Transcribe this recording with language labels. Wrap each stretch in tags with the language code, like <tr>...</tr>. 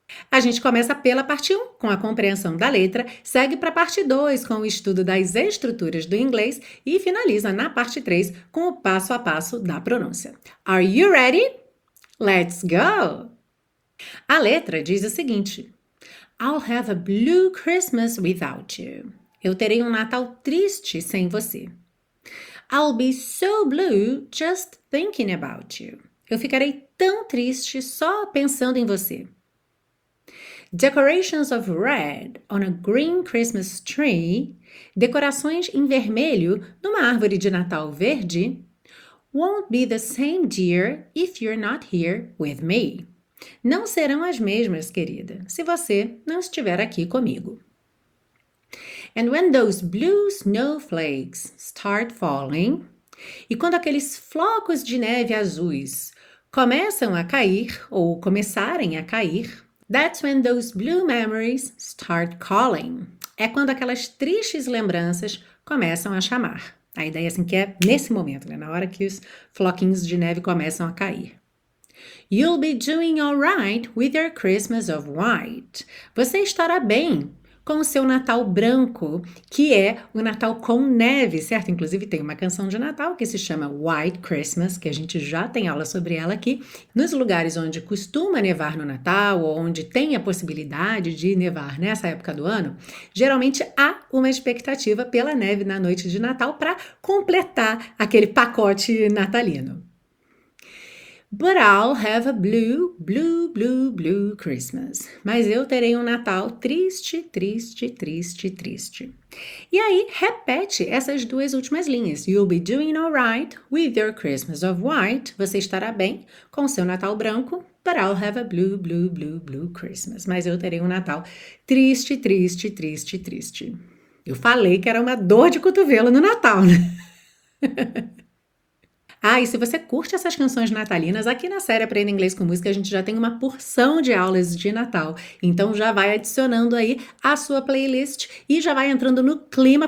<pt>A gente começa pela parte 1, com a compreensão da letra, segue para a parte 2, com o estudo das estruturas do inglês, e finaliza na parte 3, com o passo a passo da pronúncia.</pt> <en>Are you ready? Let's go!</en> <pt>A letra diz o seguinte:</pt> <en>I'll have a blue Christmas without you.</en> <pt>Eu terei um Natal triste sem você.</pt> <en>I'll be so blue just thinking about you.</en> <pt>Eu ficarei tão triste só pensando em você.</pt> <en>Decorations of red on a green Christmas tree.</en> <pt>Decorações em vermelho numa árvore de Natal verde.</pt> <en>Won't be the same, dear, if you're not here with me.</en> <pt>Não serão as mesmas, querida, se você não estiver aqui comigo.</pt> <en>And when those blue snowflakes start falling.</en> <pt>E quando aqueles flocos de neve azuis começam a cair ou começarem a cair.</pt> <en>That's when those blue memories start calling.</en> <pt>É quando aquelas tristes lembranças começam a chamar. A ideia é assim que é nesse momento, né? Na hora que os floquinhos de neve começam a cair.</pt> <en>You'll be doing all right with your Christmas of white.</en> <pt>Você estará bem com o seu Natal branco, que é o Natal com neve, certo? Inclusive tem uma canção de Natal que se chama White Christmas, que a gente já tem aula sobre ela aqui. Nos lugares onde costuma nevar no Natal, ou onde tem a possibilidade de nevar nessa época do ano, geralmente há uma expectativa pela neve na noite de Natal para completar aquele pacote natalino.</pt> <en>But I'll have a blue, blue, blue, blue Christmas.</en> <pt>Mas eu terei um Natal triste, triste, triste, triste. E aí, repete essas duas últimas linhas.</pt> <en>You'll be doing all right with your Christmas of white.</en> <pt>Você estará bem com seu Natal branco.</pt> <en>But I'll have a blue, blue, blue, blue Christmas.</en> <pt>Mas eu terei um Natal triste, triste, triste, triste. Eu falei que era uma dor de cotovelo no Natal, né? Ah, e se você curte essas canções natalinas, aqui na série Aprenda Inglês com Música, a gente já tem uma porção de aulas de Natal. Então já vai adicionando aí a sua playlist e já vai entrando no clima.</pt>